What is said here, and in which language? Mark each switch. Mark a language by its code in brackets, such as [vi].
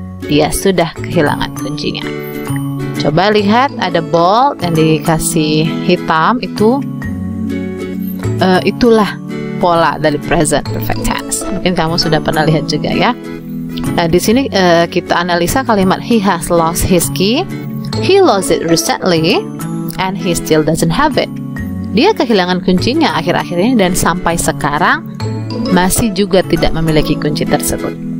[id] Dia sudah kehilangan kuncinya. Coba lihat ada ball yang dikasih hitam itu. Itulah pola dari present perfect tense. Mungkin kamu sudah pernah lihat juga ya. Nah, di sini kita analisa kalimat [en] he has lost his key. He lost it recently and he still doesn't have it. [id] Dia kehilangan kuncinya akhir-akhir ini dan sampai sekarang masih juga tidak memiliki kunci tersebut.